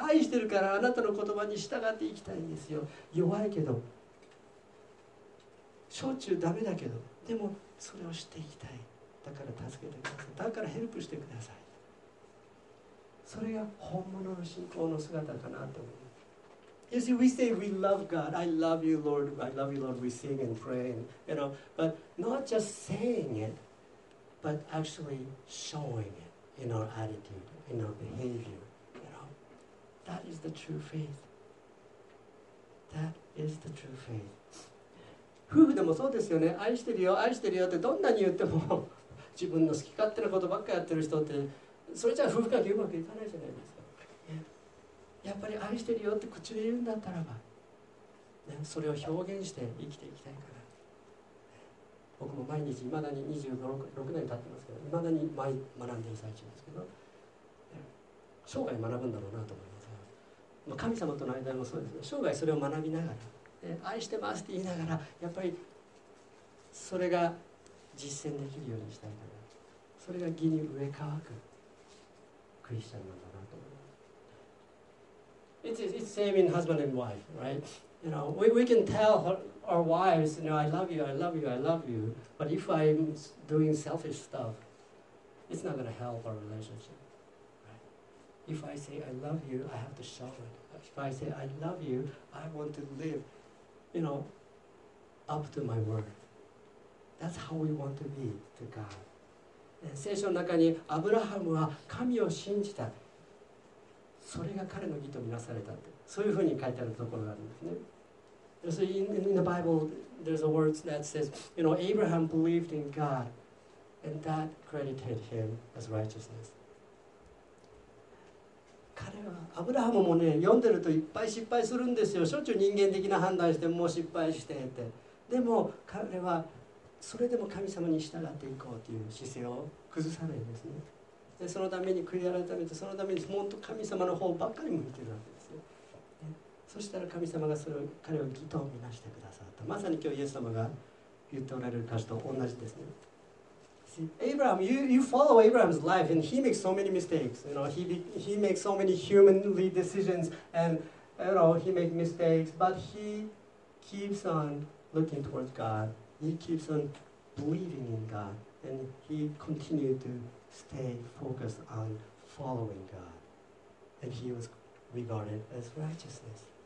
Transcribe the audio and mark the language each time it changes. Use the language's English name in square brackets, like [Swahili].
[Japanese] 愛してるからあなたの言葉に従っていきたいんですよ。弱いけど、しょっちゅうダメだけど、でもそれをしていきたい。だから助けてください。だからヘルプしてください。それが本物の信仰の姿かなと思う。 [English] You see, we say we love God. I love you, Lord. I love you, Lord. We sing and pray, and, you know, but not just saying it, but actually showing it in our attitude, in our behavior. You know, that is the true faith. That is the true faith. [Japanese] 夫婦でもそうですよね。愛してるよ、愛してるよってどんなに言っても自分の好き勝手なことばっかりやってる人って、それじゃ夫婦関係うまくいかないじゃないですか。やっぱり愛してるよって口で言うんだったらば、ね、それを表現して生きていきたいから。僕も毎日、未だに26年経ってますけど、未だに毎学んでる最中ですけど、生涯学ぶんだろうなと思います。まあ、神様との間もそうですね。生涯それを学びながら、愛してますって言いながら、やっぱりそれが実践できるようにしたいから、それが義に植え替わくクリスチャンなんだなと思います。 [English] It's same in husband and wife, right? You know, we can tell our wives, you know, I love you, I love you, I love you, but if I'm doing selfish stuff, it's not going to help our relationship, right? If I say I love you, I have to show it. If I say I love you, I want to live, you know, up to my word. That's how we want to be to God. [Japanese] 聖書の中にアブラハムは神を信じた、それが彼の義とみなされたって、そういうふうに書いてあるところがあるんですね。 [English] So in the Bible there's a word that says, you know, Abraham believed in God and that credited him as righteousness. [Japanese] 彼はアブラハムもね、読んでるといっぱい失敗するんですよ。しょっちゅう人間的な判断してもう失敗してって、でも彼はそれでも神様に従っていこうという姿勢を崩さないんですね。でそのために悔い改めて、そのためにもっと神様の方ばっかり向いてるわけですよ。でそしたら神様がそれを、彼を義と見なしてくださった。まさに今日イエス様が言っておられる歌詞と同じですね。 [English] See, Abraham, you follow Abraham's life and he makes so many mistakes. You know, he makes so many humanly decisions and, you know, he makes mistakes, but he keeps on looking towards GodHe keeps on believing in God, and he continued to stay focused on following God, and he was regarded as righteousness.